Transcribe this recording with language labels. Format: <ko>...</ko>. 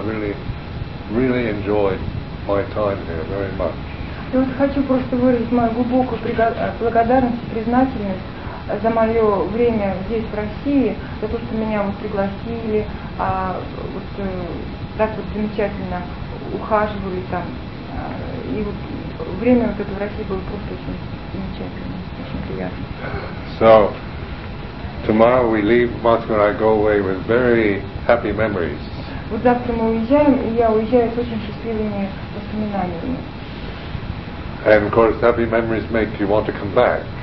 <en>I really, really enjoyed my time here very much.</en> <ru>Я вот хочу просто выразить мою глубокую благодарность и признательность за мое время здесь, в России, за то, что меня вот пригласили, вот так вот замечательно ухаживали там. И вот время вот это в России было просто очень замечательно, очень приятно.</ru> <en>So, tomorrow we leave Moscow and I go away with very happy memories.</en> <ru>Вот завтра мы уезжаем, и я уезжаю с очень счастливыми воспоминаниями.</ru> <en>And of course, happy memories make you want to come back.</en>